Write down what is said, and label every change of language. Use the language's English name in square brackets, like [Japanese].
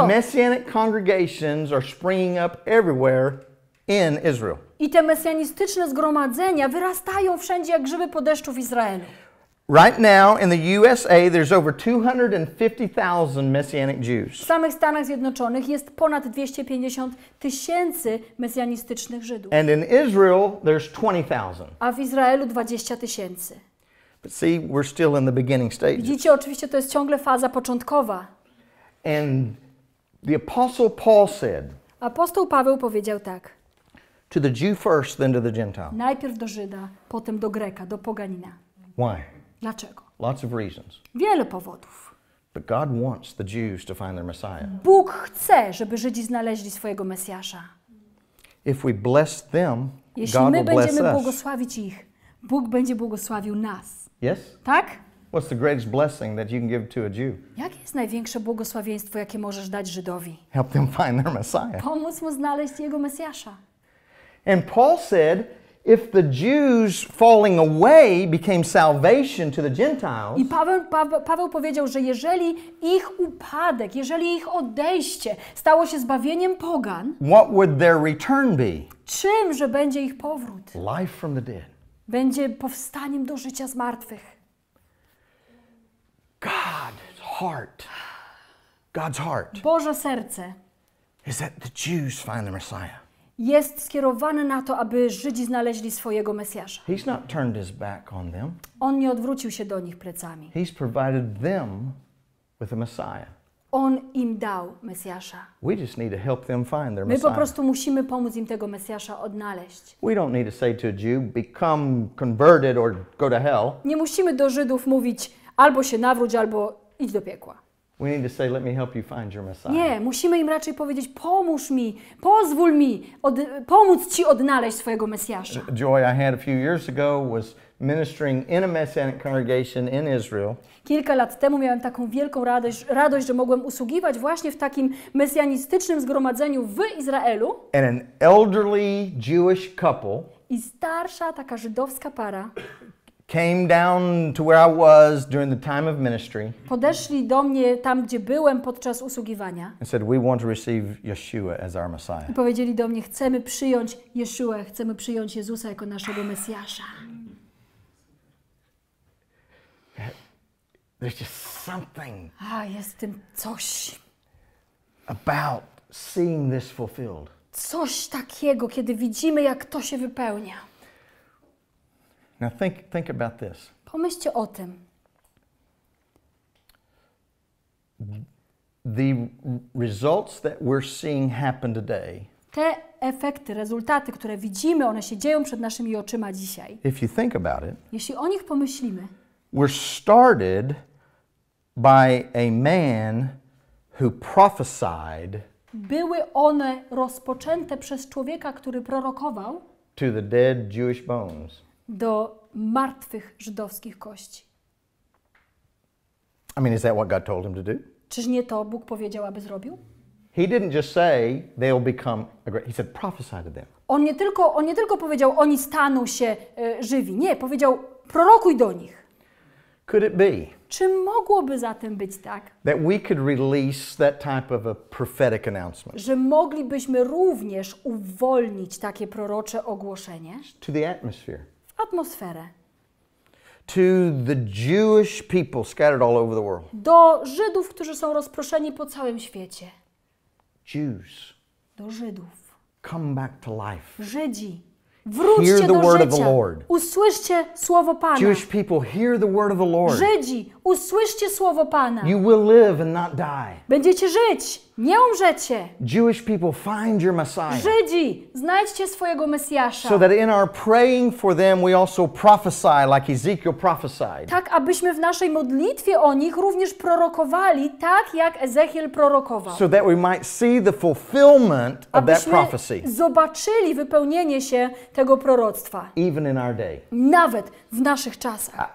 [English] And messianic congregations are springing up everywhere in Israel. [Polish] I te mesjanistyczne zgromadzenia wyrastają wszędzie jak grzyby po deszczu w Izraelu. [English] Right now in the USA there's over 250,000 messianic Jews. [Polish] W samych Stanach Zjednoczonych jest ponad 250 tysięcy mesjanistycznych Żydów. [English] And in Israel there's 20,000. [Polish] A w Izraelu 20 tysięcy. [English] But see, we're still in the beginning stages. [Polish] Widzicie, oczywiście to jest ciągle faza początkowa. [English] And the apostle Paul said. [Polish] Apostoł Paweł powiedział tak. [English] To the Jew first, then to the Gentile. [Polish] Najpierw do Żyda, potem do Greka, do poganina. [English] Why? [Polish] Dlaczego? [English] Lots of reasons. [Polish] Wiele powodów. [English] But God wants the Jews to find their Messiah. [Polish] Bóg chce, żeby Żydzi znaleźli swojego Mesjasza. [English] If we bless them, [Polish] jeśli [English] God [Polish] my [English] will [Polish] będziemy [English] bless [Polish] błogosławić [English] us. [Polish] Ich, Bóg będzie błogosławił nas. [English] Yes? [Polish] Tak? [English] What's the greatest blessing that you can give to a Jew? [Polish] Jakie jest największe błogosławieństwo, jakie możesz dać Żydowi? [English] Help them find their Messiah. [Polish] Pomóż mu znaleźć jego Mesjasza. [English] And Paul said, if the Jews falling away became salvation to the Gentiles. [Polish] I Paweł powiedział, że jeżeli ich upadek, jeżeli ich odejście stało się zbawieniem pogan, [English] what would their return be? [Polish] Czymże będzie ich powrót? [English] Life from the dead. [Polish] Będzie powstaniem do życia z martwych. [English] God's heart. God's heart. [Polish] Boże serce. [English] Is that the Jews find the Messiah? [Polish] Jest skierowany na to, aby Żydzi znaleźli swojego Mesjasza. [English] He's not turned his back on them. [Polish] On nie odwrócił się do nich plecami. [English] He's provided them with a Messiah. [Polish] On im dał Mesjasza. [English] We just need to help them find their [Polish] Messiah. My po prostu musimy pomóc im tego Mesjasza odnaleźć. [English] We don't need to say to a Jew, become converted or go to hell. [Polish] Nie musimy do Żydów mówić, albo się nawróć, albo idź do piekła. [English] We need to say, let me help you find your Messiah. [Polish] Nie, musimy im raczej powiedzieć, pomóż mi, pozwól mi, pomóc ci odnaleźć swojego Mesjasza. [English] Joy I had a few years ago was ministering in a messianic congregation in Israel. [Polish] Kilka lat temu miałem taką wielką radość, że mogłem usługiwać właśnie w takim mesjanistycznym zgromadzeniu w Izraelu. [English] And an elderly Jewish couple. [Polish] I starsza taka żydowska para. [English] Came down to where I was during the time of ministry. [Polish] Podeszli do mnie tam, gdzie byłem podczas usługiwania. [English] And said, we want to receive Yeshua as our Messiah. [Polish] I powiedzieli do mnie, chcemy przyjąć Yeshua, chcemy przyjąć Jezusa jako naszego Mesjasza. [English] There's just something. [Polish] Ah, jest w tym coś. [English] About seeing this fulfilled. [Polish] Coś takiego, kiedy widzimy, jak to się wypełnia. [English] Now think about this. [Polish] Pomyślcie o tym. [English] The results that we're seeing happen today. [Polish] Te efekty, rezultaty, które widzimy, one się dzieją przed naszymi oczyma dzisiaj. [English] If you think about it. [Polish] Jeśli o nich pomyślimy. [English] Were started by a man who prophesied. [Polish] Były one rozpoczęte przez człowieka, który prorokował. [English] To the dead Jewish bones. [Polish] Do martwych żydowskich kości. [English] I mean, is that what God told him to do? [Polish] Czyż nie to Bóg powiedział, aby zrobił? [English] He didn't just say they'll become a great. He said prophesy to them. [Polish] On nie tylko powiedział, oni staną się żywi. Nie, powiedział, prorokuj do nich. [English] Could it be? [Polish] Czy mogłoby zatem być tak? [English] That we could release that type of a prophetic announcement. [Polish] Że moglibyśmy również uwolnić takie prorocze ogłoszenie. [English] To the atmosphere. [Polish] Atmosferę. [English] To the Jewish people scattered all over the world. [Polish] Do Żydów, którzy są rozproszeni po całym świecie. [English] Jews. [Polish] Do Żydów. [English] Come back to life. [Polish] Żydzi. Wróćcie [English] hear the [Polish] do [English] word [Polish] życia. [English] Of the Lord. [Polish] Usłyszcie słowo Pana. [English] Jewish people, hear the word of the Lord. [Polish] Żydzi, usłyszcie słowo Pana. [English] You will live and not die. [Polish] Będziecie żyć, Nie umrzecie. [English] Jewish people, find your Messiah. [Polish] Żydzi, znajdźcie swojego Mesjasza. [English] So that in our praying for them, we also prophesy like Ezekiel prophesied. [Polish] Tak, abyśmy w naszej modlitwie o nich również prorokowali, tak jak Ezechiel prorokował. [English] So that we might see the fulfillment of [Polish] abyśmy [English] that prophecy. [Polish] Zobaczyli wypełnienie się tego proroctwa. [English] Even in our day. [Polish] Nawet w naszych czasach.